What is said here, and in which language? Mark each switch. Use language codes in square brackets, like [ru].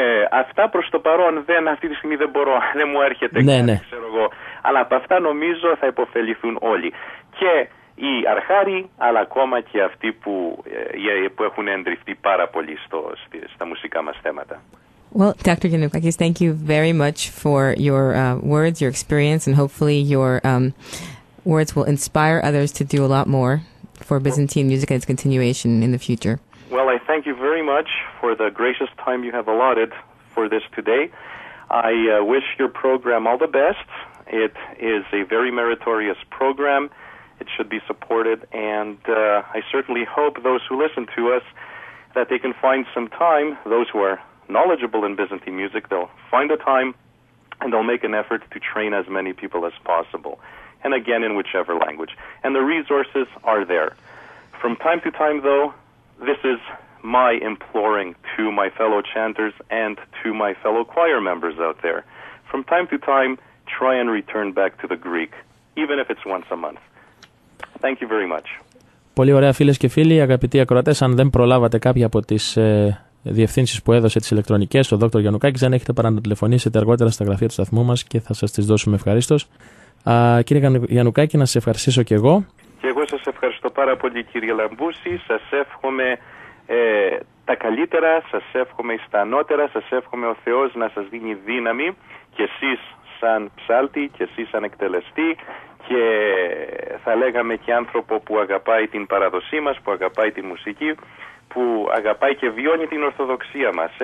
[el] Αυτά προς το παρόν αυτή τη στιγμή δεν μπορώ, δεν μου έρχεται, ναι, κάτι, ναι. Ξέρω εγώ, αλλά από αυτά νομίζω θα υποφεληθούν όλοι. και οι αρχάροι, αλλά ακόμα και αυτοί που έχουν εντριφθεί πάρα πολύ στα μουσικά μας θέματα. [en] Well, Dr. Giannoukakis, thank you very much for your words, your experience, and hopefully your words will inspire others to do a lot more for Byzantine music and its continuation in the future. Well, I thank you very much for the gracious time you have allotted for this today. I wish your program all the best. It is a very meritorious program. It should be supported, and I certainly hope those who listen to us, that they can find some time, those who are knowledgeable in Byzantine music, they'll find a time and they'll make an effort to train as many people as possible, and again in whichever language. And the resources are there. From time to time, though, this is my imploring to my fellow chanters and to my fellow choir members out there. From time to time, try and return back to the Greek, even if it's once a month. Thank you very much. [el] Πολύ ωραία, φίλες και φίλοι, αγαπητοί ακροατές, αν δεν προλάβατε κάποια από τις διευθύνσεις που έδωσε, τις ηλεκτρονικές, ο Δόκτωρ Γιαννουκάκης, αν έχετε παρά να τηλεφωνήσετε αργότερα στα γραφεία του σταθμού μας και θα σας τις δώσουμε ευχαρίστως. Κύριε Γιαννουκάκη, να σας ευχαριστήσω και εγώ. Και εγώ σας ευχαριστώ πάρα πολύ, κύριε Λαμπούση. Σας εύχομαι τα καλύτερα, σας εύχομαι στα ανώτερα, σας εύχομαι ο Θεός να σας δίνει δύναμη και εσείς σαν ψάλτη και εσείς σαν εκτελεστή και θα λέγαμε και άνθρωπο που αγαπάει την παραδοσή μας, που αγαπάει τη μουσική, που αγαπάει και βιώνει την Ορθοδοξία μας.